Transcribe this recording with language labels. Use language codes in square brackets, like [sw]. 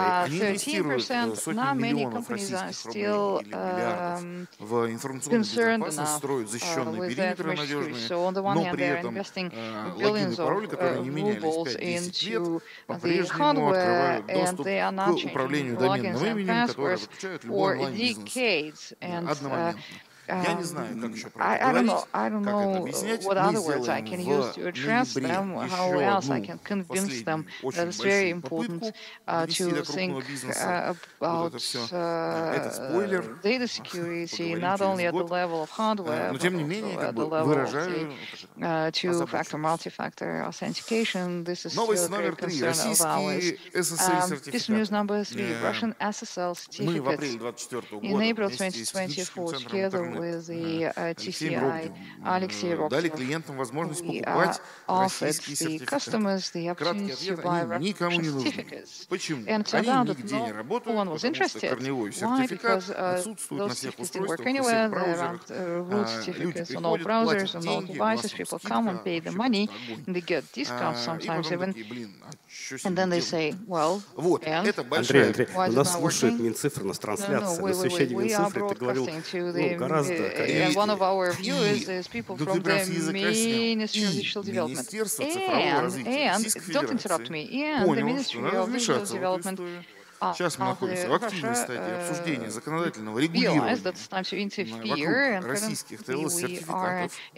[ru] Они инвестируют сотни миллионов российских рублей или миллиардов в информационную безопасность, строят защищенные периметры надежные, но при этом логин и пароль, которые не меняли 5-10 лет, по-прежнему открывают доступ к управлению доменным именем, которое заключают любой онлайн-бизнес одномоментно. Я не знаю, как еще проговорить, как это объяснять. [en] What other words I can use to address them? How else I can convince them that it's very important to think about data security not only at the level of hardware, but also at the level of the two-factor, multi-factor authentication. This is still a great concern of ours. This news number three: Russian SSL certificates. In April 2024, together with the TCI, Alexey Robkov, we offered the customers the opportunity to buy Russian certificates. And turned out that no one was interested. Why? Because those certificates didn't work anywhere. There aren't root certificates on all browsers and all devices. People come and pay the money, and they get discounts sometimes even. And then they say, well, and why is it not working? [ru] Минцифры, у нас трансляция, на освещение Минцифры, ты говорил, гораздо... [en] One of our viewers is people from the Ministry of Digital Development. And don't interrupt me, and the Ministry of Digital Development... [ru] Сейчас мы находимся в активной стадии обсуждения законодательного регулирования вокруг российских ТЛС-сертификатов.